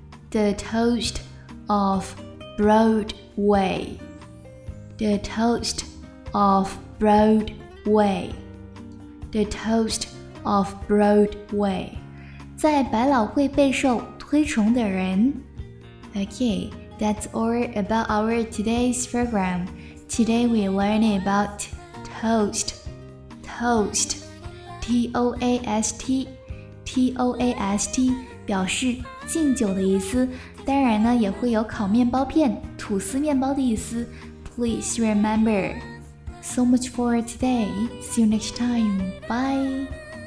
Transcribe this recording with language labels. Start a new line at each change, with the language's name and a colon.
English: The toast of Broadway,
Chinese: 在百老汇备受推崇的人。
English: OKThat's all about our today's program. Today we learn about toast. T-O-A-S-T
Chinese: 表示敬酒的意思，当然呢也会有烤面包片、吐司面包的意思。
English: Please remember. So much for today. See you next time. Bye.